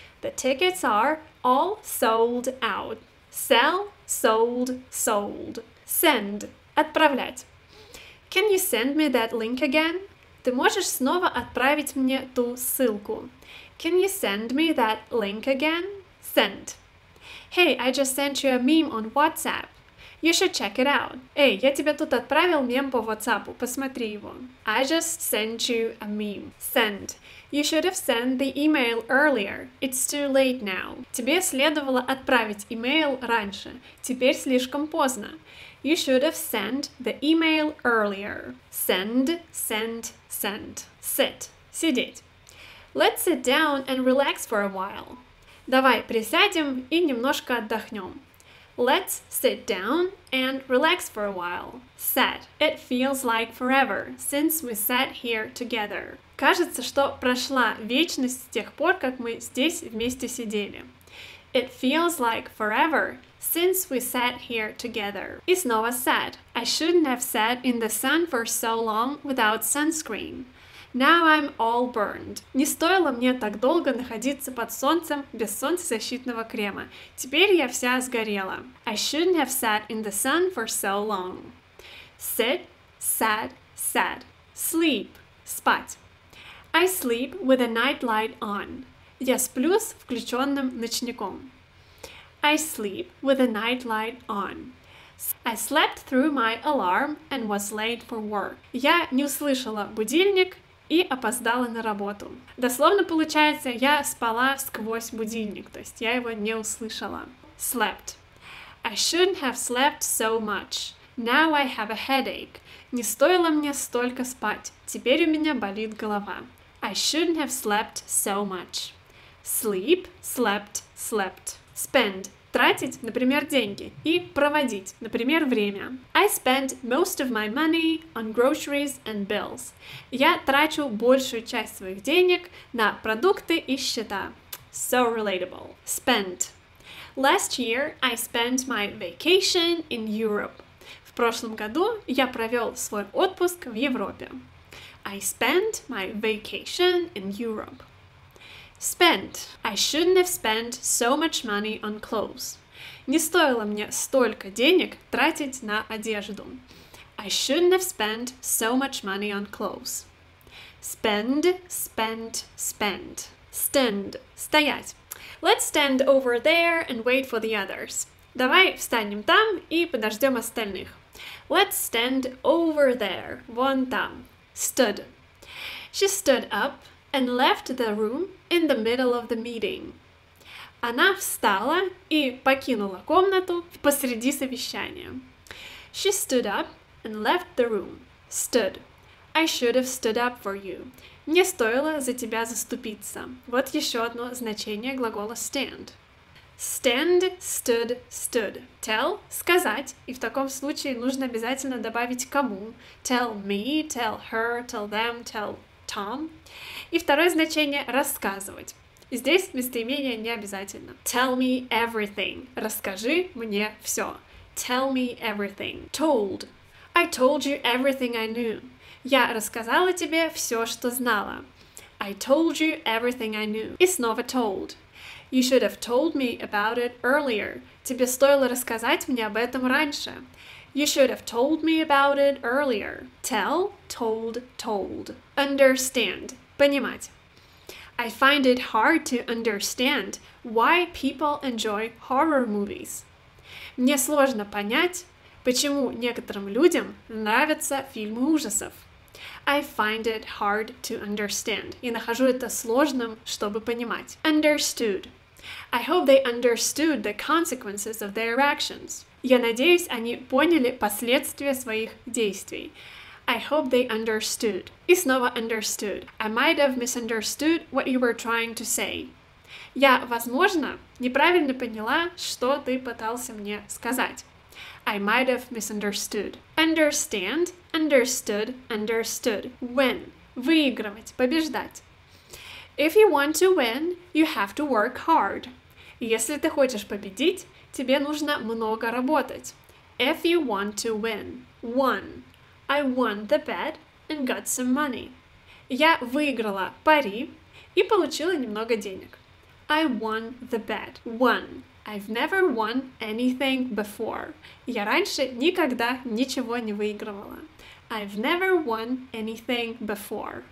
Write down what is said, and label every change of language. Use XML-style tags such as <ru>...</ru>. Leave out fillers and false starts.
<en>The tickets are all sold out. Sell, sold, sold. Send. Отправлять. Can you send me that link again?</en> <ru>Ты можешь снова отправить мне ту ссылку?</ru> <en>Can you send me that link again? Send. Hey, I just sent you a meme on WhatsApp. You should check it out.</en> <ru>Эй, я тебе тут отправил мем по WhatsApp, посмотри его.</ru> <en>I just sent you a meme. Send. You should have sent the email earlier. It's too late now.</en> <ru>Тебе следовало отправить email раньше. Теперь слишком поздно.</ru> <en>You should have sent the email earlier. Send, send, send. Sit. Сидеть. Let's sit down and relax for a while.</en> <ru>Давай присядем и немножко отдохнем.</ru> <en>Let's sit down and relax for a while. Sat. It feels like forever since we sat here together.</en> <ru>Кажется, что прошла вечность с тех пор, как мы здесь вместе сидели.</ru> <en>It feels like forever since we sat here together.</en> <ru>И снова</ru> <en>sat. I shouldn't have sat in the sun for so long without sunscreen. Now I'm all burned.</en> <ru>Не стоило мне так долго находиться под солнцем без солнцезащитного крема. Теперь я вся сгорела.</ru> <en>I shouldn't have sat in the sun for so long. Sit, sat, sat. Sleep, спать. I sleep with a nightlight on.</en> <ru>Я сплю с включенным ночником.</ru> <en>I sleep with a nightlight on. I slept through my alarm and was late for work.</en> <ru>Я не услышала будильник и опоздала на работу. Дословно получается, я спала сквозь будильник, то есть я его не услышала.</ru> <en>Slept. I shouldn't have slept so much. Now I have a headache.</en> <ru>Не стоило мне столько спать. Теперь у меня болит голова.</ru> <en>I shouldn't have slept so much. Sleep, slept, slept. Spend.</en> <ru>Тратить, например, деньги. И проводить, например, время.</ru> <en>I spend most of my money on groceries and bills.</en> <ru>Я трачу большую часть своих денег на продукты и счета.</ru> <en>So relatable. Spend. Last year I spent my vacation in Europe.</en> <ru>В прошлом году я провел свой отпуск в Европе.</ru> <en>I spent my vacation in Europe. Spent. I shouldn't have spent so much money on clothes.</en> <ru>Не стоило мне столько денег тратить на одежду.</ru> <en>I shouldn't have spent so much money on clothes. Spend, spend, spend. Stand. Стоять. Let's stand over there and wait for the others.</en> <ru>Давай встанем там и подождем остальных.</ru> <en>Let's stand over there.</en> <ru>Вон там.</ru> <en>Stood. She stood up and left the room in the middle of the meeting.</en> <ru>Она встала и покинула комнату посреди совещания.</ru> <en>She stood up and left the room. Stood. I should have stood up for you.</en> <ru>Мне стоило за тебя заступиться. Вот еще одно значение глагола stand.</ru> <en>Stand, stood, stood.</en> <ru>Tell – сказать, и в таком случае нужно обязательно добавить кому.</ru> <en>Tell me, tell her, tell them, tell Tom.</en> <ru>И второе значение – рассказывать. Здесь местоимение не обязательно.</ru> <en>Tell me everything.</en> <ru>Расскажи мне все.</ru> <en>Tell me everything. Told. I told you everything I knew.</en> <ru>Я рассказала тебе все, что знала.</ru> <en>I told you everything I knew.</en> <ru>И снова told.</ru> <en>You should have told me about it earlier.</en> <ru>Тебе стоило рассказать мне об этом раньше.</ru> <en>You should have told me about it earlier. Tell, told, told. Understand.</en> <ru>Понимать.</ru> <en>I find it hard to understand why people enjoy horror movies.</en> <ru>Мне сложно понять, почему некоторым людям нравятся фильмы ужасов.</ru> <en>I find it hard to understand.</en> <ru>Я нахожу это сложным, чтобы понимать.</ru> <en>Understood. I hope they understood the consequences of their actions.</en> <ru>Я надеюсь, они поняли последствия своих действий.</ru> <en>I hope they understood.</en> <ru>И снова understood.</ru> <en>I might have misunderstood what you were trying to say.</en> <ru>Я, возможно, неправильно поняла, что ты пытался мне сказать.</ru> <en>I might have misunderstood. Understand, understood, understood. Win.</en> <ru>Выигрывать, побеждать.</ru> <en>If you want to win, you have to work hard.</en> <ru>Если ты хочешь победить, тебе нужно много работать.</ru> <en>If you want to win. Won. I won the bet and got some money.</en> <ru>Я выиграла пари и получила немного денег.</ru> <en>I won the bet. Won. I've never won anything before.</en> <ru>Я раньше никогда ничего не выигрывала.</ru> <en>I've never won anything before.</en>